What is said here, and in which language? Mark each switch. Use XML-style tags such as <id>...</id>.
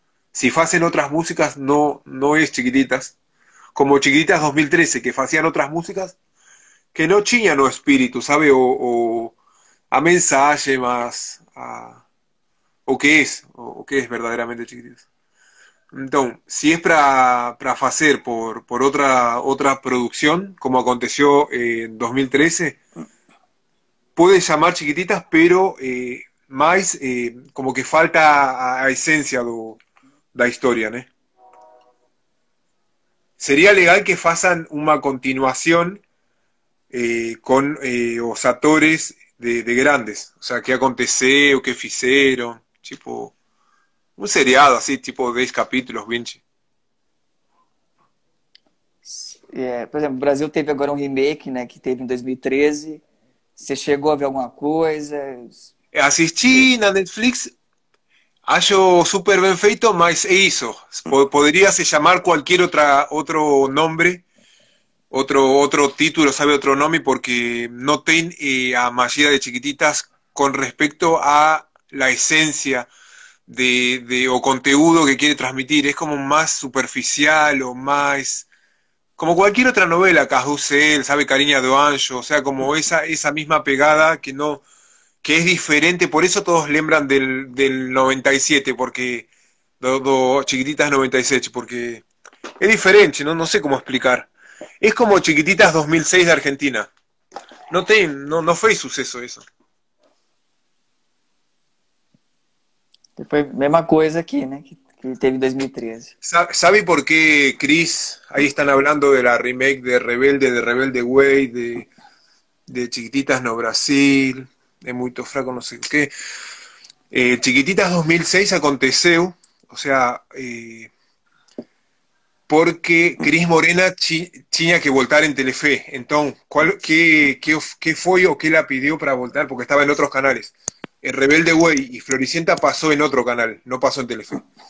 <es>Si hacen otras músicas, no es Chiquititas. Como Chiquititas 2013, que hacían otras músicas,</es> <pt>que no tinha no espírito, sabe? A mensagem, mas o que é verdadeiramente Chiquititas. Então, se é para fazer por outra produção, como aconteceu em 2013, pode chamar Chiquititas, pero mais como que falta a essência da história, né?</pt> <es>Sería legal que fasan una continuación con los actores de grandes. O sea, qué aconteceu, qué hicieron. Tipo, un seriado así, tipo 10 capítulos, 20. Por ejemplo, Brasil teve agora un remake, né, que teve en 2013.</es> <pt>Você chegou a ver</pt> <es>alguna cosa?</es> <pt>Assistí na Netflix. Acho super bem feito, mas é isso. Poderia se chamar qualquer outro nome, outro título, sabe, outro nome, porque não tem a magia de Chiquititas com respeito à la essência de o conteúdo que quer transmitir. É como mais superficial ou mais... Como qualquer outra novela, Carrusel, sabe, Carinha do Anjo, ou seja, como essa mesma pegada que não...</pt> <es>que es diferente, por eso todos lembran del 97, porque do Chiquititas 97, porque es diferente, ¿no? No sé cómo explicar. Es como Chiquititas 2006 de Argentina. No fue suceso eso. Fue la misma cosa aquí, ¿no?</es> <pt>Que teve en 2013.</pt> <es>¿Sabe por qué, Chris? Ahí están hablando de la remake de Rebelde Way, de Chiquititas no Brasil...</es> <pt>É muito fraco, não sei o quê. Chiquititas 2006 aconteceu, ou seja, porque Cris Morena tinha que voltar em Telefé. Então, que foi o que ela pediu para voltar? Porque estava em outros canais. Rebelde Way e Floricienta passou em outro canal, não passou em Telefé.</pt>